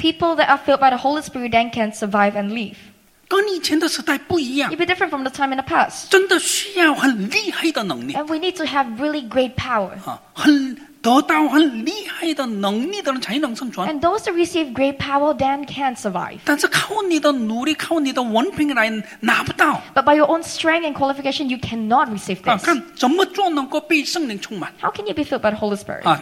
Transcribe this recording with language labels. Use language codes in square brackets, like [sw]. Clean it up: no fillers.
[en] People that are filled by the Holy Spirit Then can survive and live [zh] 跟以前的时代不一样 [en] You'll be different from the time in the past [zh] 真的需要很厉害的能力 [en] And we need to have really great power [zh] 得到很厉害的能力的人才能生存 [en] And those who receive great power then can survive [zh] 但是靠你的努力靠你的文凭来拿不到 [en] But by your own strength and qualification you cannot receive this [zh] 看怎么做能够被圣灵充满 [en] How can you be filled by the Holy Spirit?